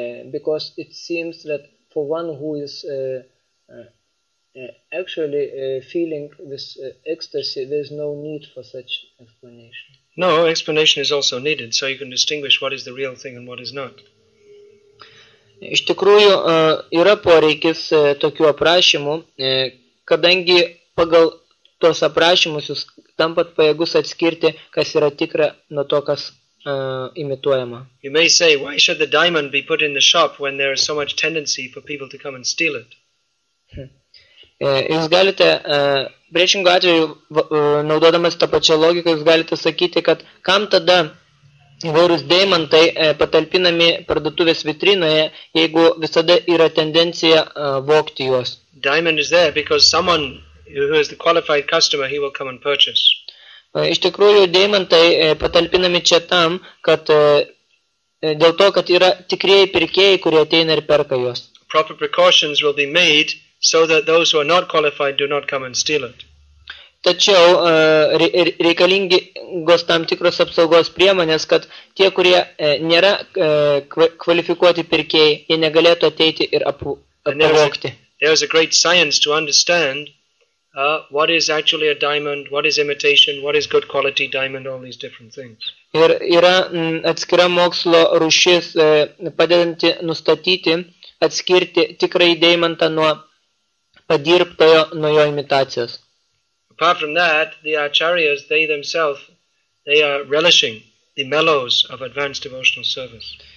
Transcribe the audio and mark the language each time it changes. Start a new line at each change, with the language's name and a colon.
English: Because it seems that for one who is actually feeling this ecstasy, there is no need for such explanation. No, explanation is also needed, so you can distinguish what is the real thing and what is not.
Lithuanian: Iš tikrųjų, yra poreikis tokių aprašymų, kadangi pagal tos aprašymus jūs tampat pajėgus atskirti, kas yra tikra nuo to, kas imituojama.
English: You may say, why should the diamond be put in the shop when there is so much tendency for people to come and steal it?
Lithuanian: Jūs galite, priešingų atveju, naudodamas tą pačią logiką, jūs galite sakyti, kad kam tada įvairūs deimantai patalpinami parduotuvės vitrinoje, jeigu visada yra tendencija vokti juos.
English: Diamond is there because someone who is the qualified customer, he will come and purchase.
Lithuanian: Iš tikrųjų, deimantai patalpinami čia tam, kad dėl to, kad yra tikrieji pirkėjai, kurie ateina ir perka juos.
English: Proper precautions will be made so that those who are not qualified do not come and steal it.
Lithuanian: Tačiau reikalingos tam tikros apsaugos priemonės, kad tie, kurie nėra kvalifikuoti pirkėjai, jie negalėtų ateiti ir apvogti.
English: There is a great science to understand what is actually a diamond, what is imitation, what is good quality diamond, all these different things.
Lithuanian: Ir yra atskira mokslo rūšis padedanti nustatyti, atskirti tikrai deimantą nuo padirbtojo, nuo jo imitacijos.
English: Apart from that, the acharyas, they themselves, they are relishing the mellows of advanced devotional service.